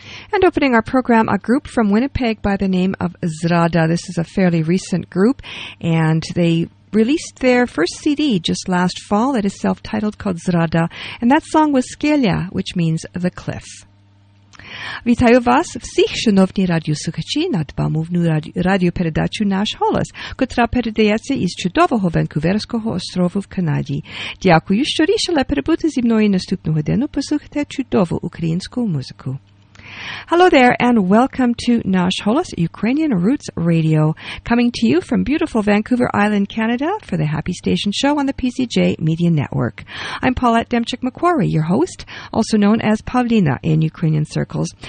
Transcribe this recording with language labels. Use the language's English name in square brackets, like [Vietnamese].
[English] And opening our program, a group from Winnipeg by the name of Zrada. This is a fairly recent group, and they released their first CD just last fall. It is self-titled, called Zrada, and that song was Skelia, which means the cliff. [Ukrainian] Вітаю вас всіх, шановні радіослухачі, над мовною радіопередачу «Наш голос», котра передається із чудового Ванкуверського острову в Канаді. Дякую, що рішили перебути зі мною наступну годину, послухати чудову українську музику. [English] Hello there, and welcome to Nash Holos, Ukrainian Roots Radio, coming to you from beautiful Vancouver Island, Canada, for the Happy Station Show on the PCJ Media Network. I'm Paulette Demchik-Macquarie, your host, also known as Pavlina in Ukrainian circles.